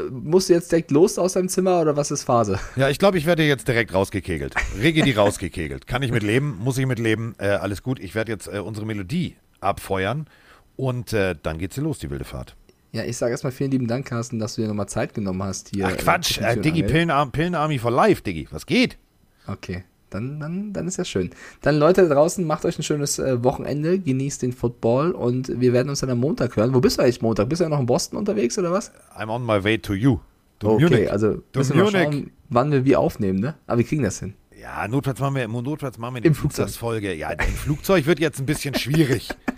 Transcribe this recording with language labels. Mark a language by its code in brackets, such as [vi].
[de] Musst du jetzt direkt los aus deinem Zimmer oder was ist Phase? Ja, ich glaube, ich werde jetzt direkt rausgekegelt. Rigidi rausgekegelt. Kann ich mit leben? Muss ich mit leben? Alles gut. Ich werde jetzt unsere Melodie abfeuern und dann geht's hier los, die wilde Fahrt. Ja, ich sage erstmal vielen lieben Dank, Carsten, dass du dir nochmal Zeit genommen hast hier. Ach Quatsch, Diggi, Pillen Army for Life, Diggi, was geht? Okay, Dann ist ja schön. Dann Leute da draußen, macht euch ein schönes Wochenende, genießt den Football und wir werden uns dann am Montag hören. Wo bist du eigentlich Montag? Bist du ja noch in Boston unterwegs oder was? [en] I'm on my way to you. To okay, Munich. [de] Also to müssen Munich. Wir schauen, wann wir wie aufnehmen, ne? Aber wir kriegen das hin. Ja, notfalls machen wir die Flugzeugfolge. Ja, im Flugzeug wird jetzt ein bisschen schwierig.